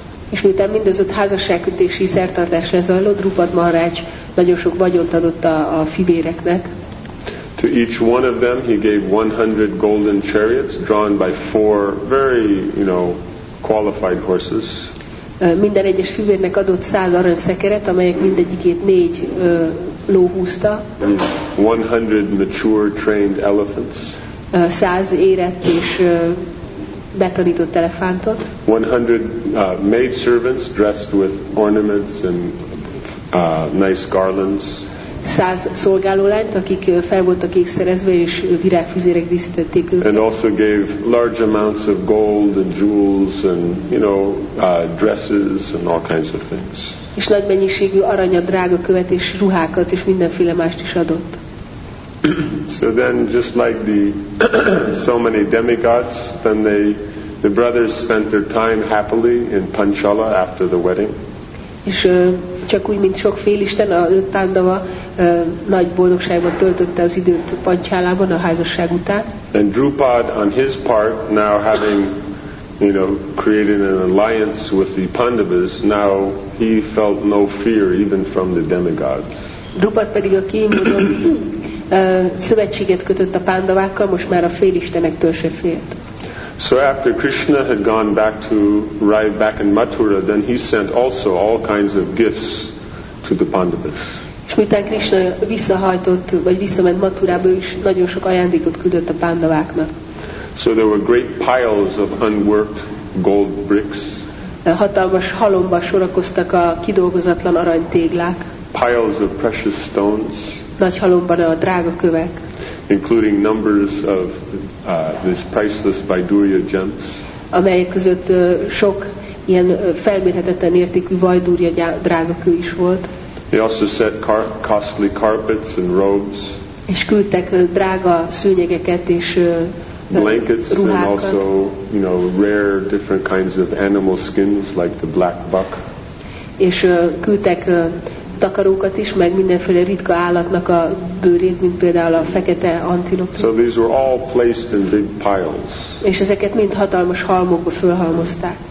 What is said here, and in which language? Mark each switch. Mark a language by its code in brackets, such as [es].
[hu] És miután mindez öt házasságkötési szertartás lezajlott, Drupad Maharaj nagyon sok vagyont adott a fivéreknek. [en] To each one of them he gave 100 golden chariots drawn by four very, you know, qualified horses. [hu] Minden egyes fivérnek adott 100 aranyszekeret, amelyek mindegyikét négy ló húzta. [en] 100 mature trained elephants. [hu] 100 érett és betanított elefántot. [en] 100 maid servants dressed with ornaments and nice garlands. [hu] 100 szolgálólányt, akik fel voltak ékszerezve és virágfüzérek díszítették őket. [en] And also gave large amounts of gold and jewels and, you know, dresses and all kinds of things. [hu] És nagy mennyiségű aranyat, drágakövet és ruhákat és mindenféle mást is adott. [en] So then, just like the so many demigods, then the brothers spent their time happily in Panchala after the wedding. [hu] És csak úgy, mint sok félisten, az öt tándava nagy boldogságban töltötte az időt Panchalában a házasság után. [en] And Drupad, on his part, now having, you know, created an alliance with the Pandavas, now he felt no fear even from the demigods. [hu] Drupad pedig, aki mondom, szövetséget kötött a pándavákkal, most már a félistenektől se félt. [en] So after Krishna had gone back to arrive back in Mathura, then he sent also all kinds of gifts to the Pandavas. [hu] És miután Krishna visszahajtott, vagy visszament Mathurába, is nagyon sok ajándékot küldött a pándaváknak. [en] So there were great piles of unworked gold bricks. [hu] Hatalmas halomba sorakoztak a kidolgozatlan aranytéglák. [en] Piles of precious stones. [hu] Nagy halomban a drága kövek. [en] Including numbers of these priceless Vaidurya gems. [hu] Amelyek között sok ilyen felmérhetetlen értékű Vaidurya drágakő is volt. [en] He also set costly carpets and robes. [hu] És küldtek drága szőnyegeket és [en] blankets [hu] ruhákat. [en] And also, you know, rare different kinds of animal skins like the black buck. [hu] És küldtek takarókat is, meg mindenféle ritka állatnak a bőrét, mint például a fekete antilop. [en] So these were all placed in big piles. [hu] És ezeket mind hatalmas halmokba fölhalmozták.